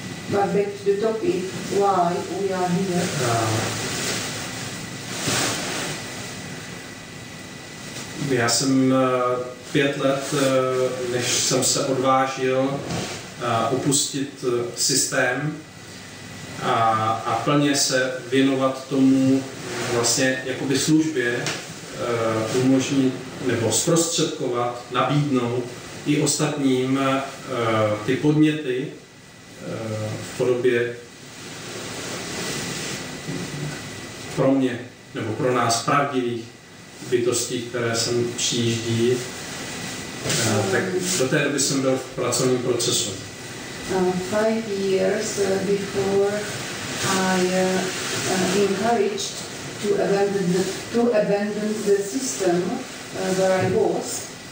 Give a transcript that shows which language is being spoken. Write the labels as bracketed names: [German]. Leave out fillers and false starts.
[English] but back to the topic, why we are here. [Czech] Já jsem 5 let, než jsem se odvážil opustit systém a plně se věnovat tomu vlastně jakoby službě, umožnit nebo zprostředkovat, nabídnout i ostatním ty podněty v podobě pro mě nebo pro nás pravdivých bytostí, které sem přijíždí, tak do té doby jsem byl v pracovním procesu. [English] 5 years before I encouraged to abandon the system where I was,